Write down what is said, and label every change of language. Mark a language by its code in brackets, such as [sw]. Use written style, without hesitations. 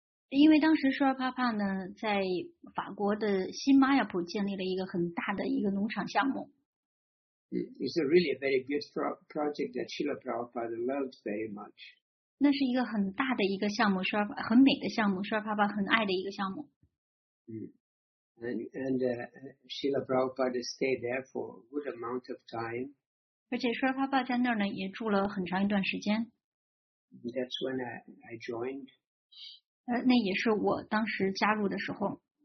[zh] 因为当时舍勒帕帕呢，在法国的新马亚普建立了一个很大的一个农场项目。 [en] It's a really a very beautiful project that Srila Prabhupada loved very much. [zh] 那是一个很大的一个项目，很美的项目，舍勒帕帕很爱的一个项目。 [en] And Srila Prabhupada stayed there for a good amount of time. [zh] 而且舍勒帕帕在那儿呢也住了很长一段时间。 [en] That's when I joined. [zh] 那也是我当时加入的时候。